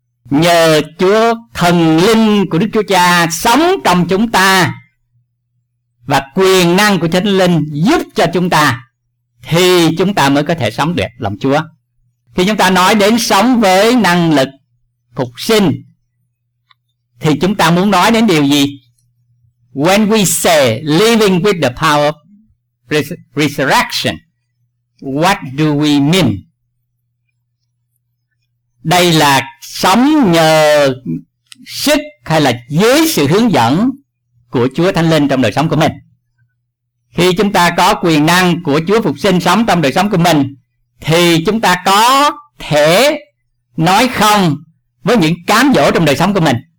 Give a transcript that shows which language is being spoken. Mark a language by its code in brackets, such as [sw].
[vi] Nhờ Chúa, thần linh của Đức Chúa Cha sống trong chúng ta và quyền năng của Thánh Linh giúp cho chúng ta, thì chúng ta mới có thể sống đẹp lòng Chúa. Khi chúng ta nói đến sống với năng lực phục sinh thì chúng ta muốn nói đến điều gì? [en] When we say living with the power of resurrection, what do we mean? [vi] Đây là sống nhờ sức hay là dưới sự hướng dẫn của Chúa Thánh Linh trong đời sống của mình. Khi chúng ta có quyền năng của Chúa phục sinh sống trong đời sống của mình, thì chúng ta có thể nói không với những cám dỗ trong đời sống của mình.